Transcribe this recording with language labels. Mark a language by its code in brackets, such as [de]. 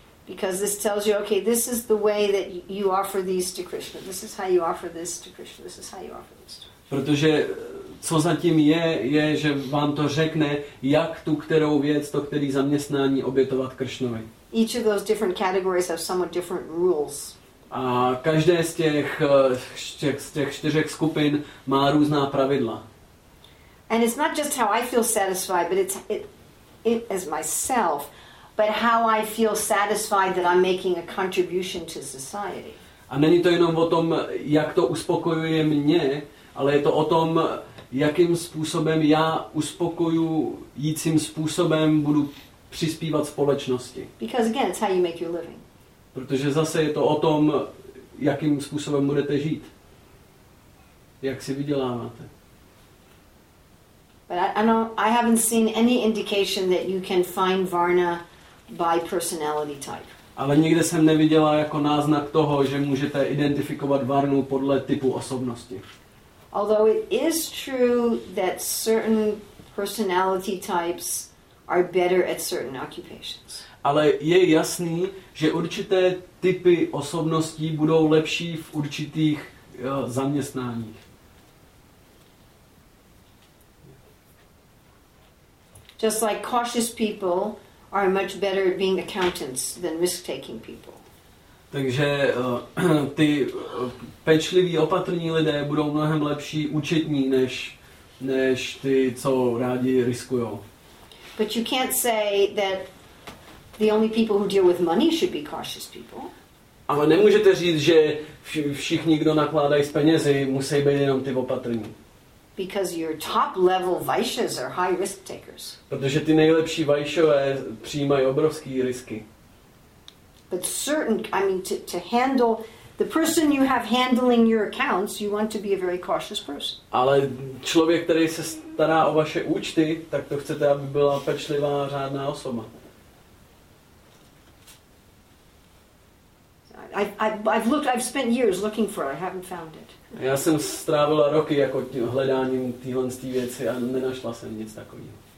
[en] Because this tells you, okay, this is the way that you offer these to Krishna. This is how you offer this to Krishna. This is how you offer this to Krishna. [cs] Protože co zatím je, že vám to řekne, jak tu kterou věc, to který zaměstnání obětovat Kršnovi. [en] Each of those different categories have somewhat different rules. [cs] A každé z těch čtyřech skupin má různá pravidla. [en] And it's not just how I feel satisfied, but it as myself, but how I feel satisfied that I'm making a contribution to society. [cs] A není to jenom o tom, jak to uspokojuje mě, ale je to o tom, jakým způsobem já uspokojujícím způsobem budu přispívat společnosti. [en] Because again, it's how you make your living. [cs] Protože zase je to o tom, jakým způsobem budete žít. Jak si vyděláváte. [en] But I haven't seen any indication that you can find varna by personality type. [cs] Ale nikde jsem neviděla jako náznak toho, že můžete identifikovat varnu podle typu osobnosti. [en] Although it is true that certain personality types are better at certain occupations. [cs] Ale je jasný, že určité typy osobností budou lepší v určitých zaměstnáních. [en] Just like cautious people are much better at being accountants than risk-taking people. [cs] Takže ty pečliví, opatrní lidé budou mnohem lepší účetní než ty, co rádi riskujou. [en] But you can't say that the only people who deal with money should be cautious people. [cs] Ale nemůžete říct, že všichni, kdo nakládají s penězi, musí být jenom ty opatrní. [en] Because your top level vaishyas are high risk takers. [cs] Protože ty nejlepší vaishyové přijímají obrovské risky. [en] But certain, I mean, to handle the person you have handling your accounts, you want to be a very cautious person. [cs] Ale člověk, který se stará o vaše účty, tak to chcete, aby byla pečlivá, řádná osoba. [en] I've spent years looking for it. I haven't found it. [cs] Já jsem strávila roky jako hledáním téhle věci a nenašla jsem nic takového.